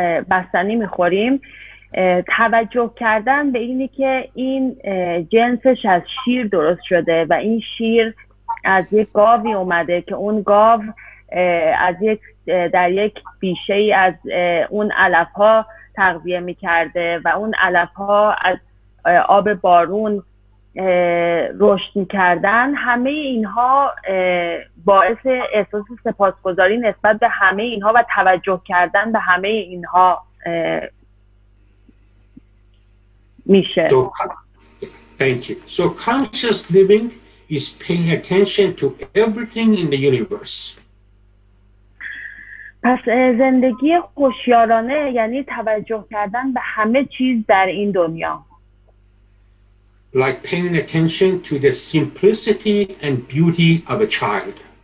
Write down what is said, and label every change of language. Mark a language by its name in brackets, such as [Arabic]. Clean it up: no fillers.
[Persian] بستنی میخوریم، توجه کردن به اینی که این جنسش از شیر درست شده و این شیر از یک گاوی اومده که اون گاو از یک در یک بیشه ای از اون علف ها تغذیه می کرده و اون علف ها از آب بارون رشد می کردن، همه اینها باعث احساس سپاسگزاری نسبت به همه اینها و توجه کردن به همه اینها میشه. [English] Thank you. So conscious living is paying attention to everything in the universe. [Persian] پس زندگی هوشیارانه یعنی توجه کردن به همه چیز در این دنیا. [English] Like paying attention to the simplicity and beauty of a child.